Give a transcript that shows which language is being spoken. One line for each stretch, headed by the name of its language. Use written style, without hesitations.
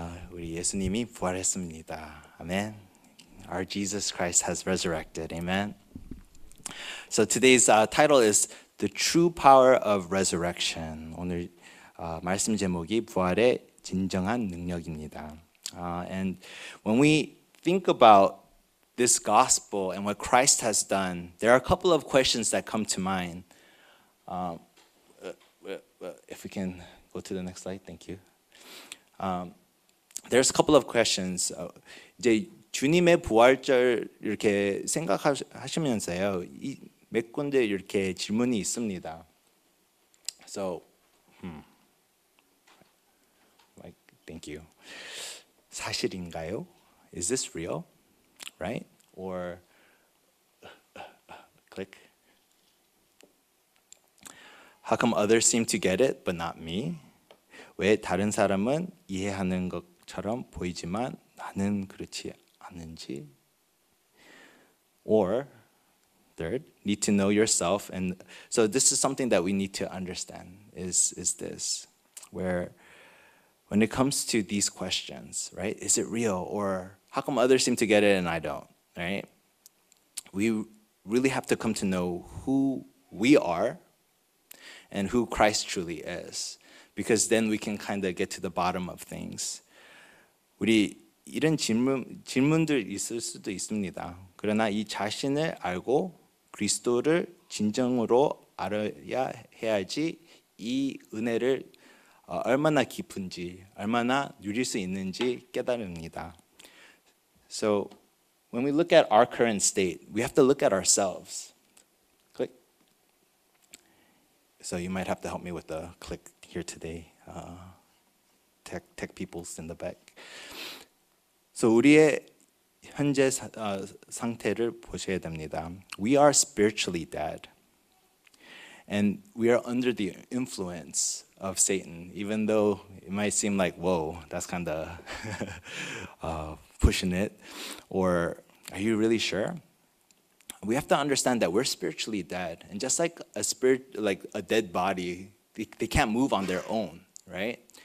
Korean: 우리 예수님이 부활했습니다.
English: Amen. Our Jesus Christ has resurrected. Amen. So today's title is The True Power of Resurrection.
Korean: 오늘 말씀 제목이 부활의 진정한 능력입니다.
English: And when we think about this gospel and what Christ has done, there are a couple of questions that come to mind. If we can go to the next slide, thank you. There's a couple of questions.
Korean: 이제 주님의 부활절 이렇게 생각하시면서요, 이 몇 군데 이렇게 질문이 있습니다.
English: So, thank you.
Korean: 사실인가요?
English: Is this real? Right? Or click. How come others seem to get it, but not me?
Korean: 왜 다른 사람은 이해하는 것처럼 보이지만 나는 그렇지 않은지?
English: Or, third, need to know yourself. And so this is something that we need to understand, is this, where when it comes to these questions, right? Is it real? Or how come others seem to get it and I don't, right? We really have to come to know who we are and who Christ truly is, because then we can kind of get to the bottom of things.
Korean: 우리 이런 질문들 있을 수도 있습니다. 그러나 이 자신을 알고 그리스도를 진정으로 알아야 해야지 이 은혜를 얼마나 깊은지, 얼마나 누릴 수 있는지 깨달습니다.
English: So when we look at our current state, we have to look at ourselves. So you might have to help me with the click here today, tech peoples in the back.
Korean: So 우리의 현재 상태를 보셔야 됩니다.
English: We are spiritually dead, and we are under the influence of Satan, even though it might seem like, whoa, that's kind of pushing it, or are you really sure? We have to understand that we're spiritually dead, and just like a spirit, like a dead body, they can't move on their own, right?